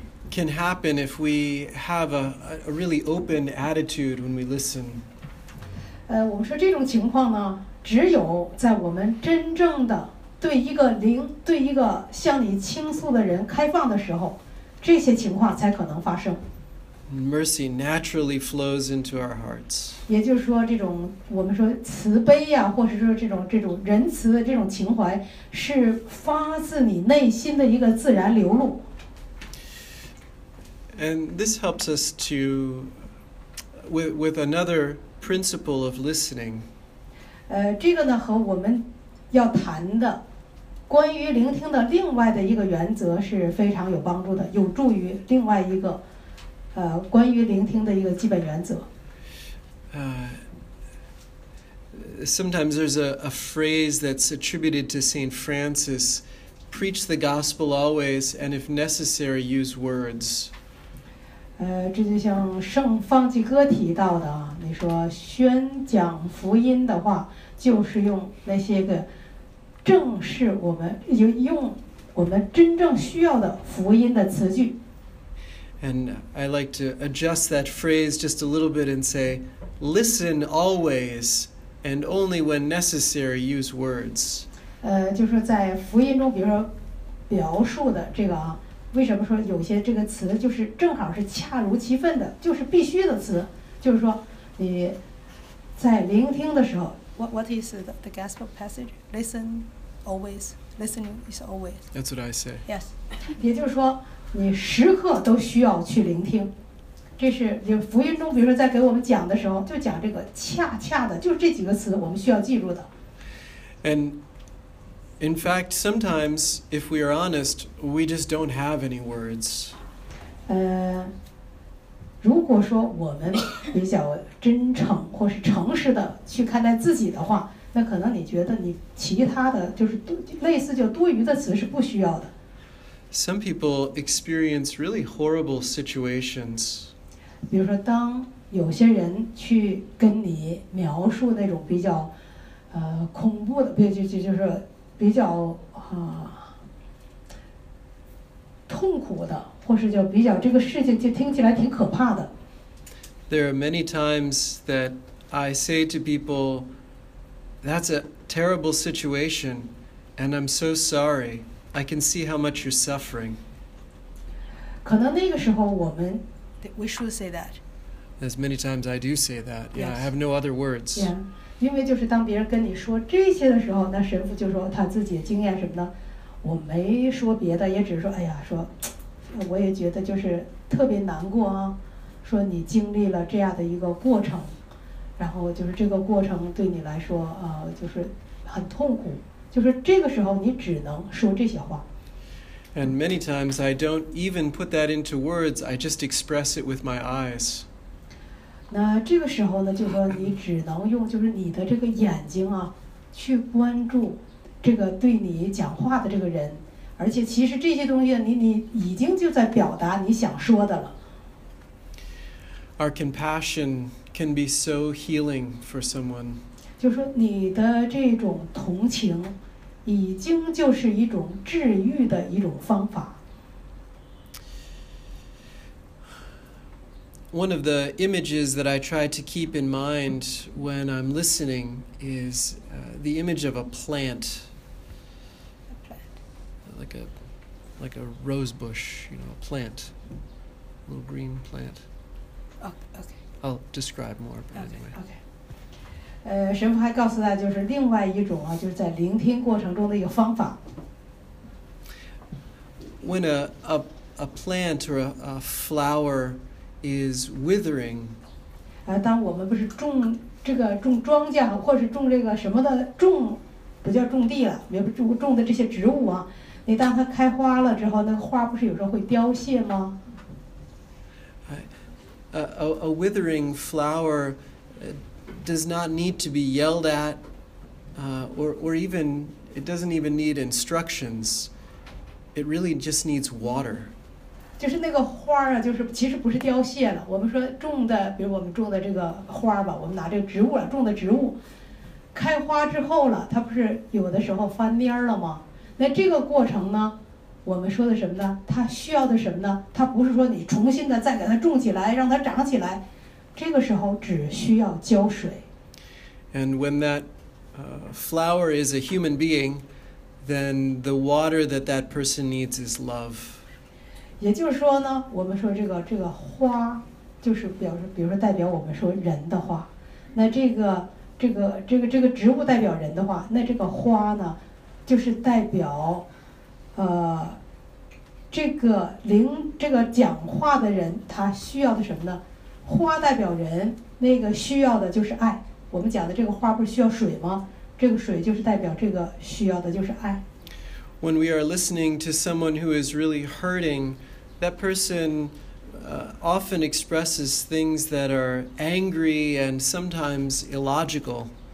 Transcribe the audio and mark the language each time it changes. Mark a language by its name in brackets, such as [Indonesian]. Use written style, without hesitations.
[English] Can happen if we have a really open attitude when we listen. [Chinese] 我们说这种情况呢，只有在我们真正的对一个向你倾诉的人开放的时候，这些情况才可能发生。 [English] mercy naturally flows into our hearts. [Chinese] 也就是说这种我们说慈悲啊或者说这种仁慈的这种情怀是发自你内心的一个自然流露。 [English] And this helps us to, with another principle of listening. [Chinese] 这个呢和我们要谈的关于聆听的另外的一个原则是非常有帮助的，有助于另外一个关于聆听的一个基本原则。 [English] Sometimes there's a phrase that's attributed to Saint Francis, preach the gospel always, and if necessary, use words. [Chinese] 这就像圣方济哥提到的啊，你说宣讲福音的话，就是用那些个正是我们用我们真正需要的福音的词句。 [English] And I like to adjust that phrase just a little bit and say, listen always, and only when necessary, use words. [Chinese] 就是在福音中，比如说描述的这个啊，为什么说有些这个词就是正好是恰如其分的，就是必须的词，就是说你在聆听的时候。 [English] What is the gospel passage? Listen always. Listening is always. That's what I say. Yes. [Chinese] 也就是说你时刻都需要去聆听，这是就福音中，比如说在给我们讲的时候，就讲这个恰恰的，就这几个词我们需要记住的。 [English] And in fact, sometimes if we are honest, we just don't have any words. [Chinese] 如果说我们比较真诚或是诚实的去看待自己的话，那可能你觉得你其他的就是类似就多余的词是不需要的。 [English] Some people experience really horrible situations. [Chinese] 比如说当有些人去跟你描述那种比较恐怖的就是比较痛苦的或是就比较这个事情就听起来挺可怕的。 [English] There are many times that I say to people, that's a terrible situation and I'm so sorry. I can see how much you're suffering. [Chinese] 可能那个时候我们 [English] We should say that. As many times I do say that. Yeah, yes. I have no other words. [Chinese] Yeah, 因为就是当别人跟你说这些的时候，那神父就说他自己的经验什么的，我没说别的，也只是说，哎呀，说我也觉得就是特别难过啊，说你经历了这样的一个过程，然后就是这个过程对你来说就是很痛苦。就是这个时候你只能说这些话。 [English] And many times I don't even put that into words, I just express it with my eyes. [Chinese] 那这个时候呢就说你只能用就是你的这个眼睛啊去关注这个对你讲话的这个人，而且其实这些东西你已经就在表达你想说的了。 [English] Our compassion can be so healing for someone. [Chinese] 就是说你的这种同情已经就是一种治愈的一种方法。 [English] One of the images that I try to keep in mind when I'm listening is the image of a plant. Like a rose bush, you know, a plant. A little green plant. Okay. I'll describe more, but anyway. Okay. [Chinese] 神父还告诉他就是另外一种啊，就是在聆听过程中的一个方法。 [English] When a plant or a flower is withering, [Chinese] 当我们不是种这个种庄稼或是种这个什么的种，不叫种地了，也不种种的这些植物啊，你当它开花了之后，那个花不是有时候会凋谢吗 [English] ？A withering flower. Does not need to be yelled at, or even it doesn't even need instructions. It really just needs water. [Chinese] 就是那个花啊，就是其实不是凋谢了。我们说种的，比如我们种的这个花吧，我们拿这个植物了，种的植物开花之后了，它不是有的时候翻蔫了吗？那这个过程呢，我们说的什么呢？它需要的什么呢？它不是说你重新的再给它种起来，让它长起来。这个时候只需要浇水。 [English] And when that flower is a human being, then the water that person needs is love. [Chinese] 也就是说呢，我们说这个花就是表示，比如说代表我们说人的话，那这个植物代表人的话，那这个花呢，就是代表，这个讲话的人他需要的什么呢？花代表人，那个需要的就是爱。我们讲的这个花不是需要水吗？这个水就是代表这个需要的就是爱。 [English] When we are listening to someone who is really hurting, that person often expresses things that are angry and sometimes illogical.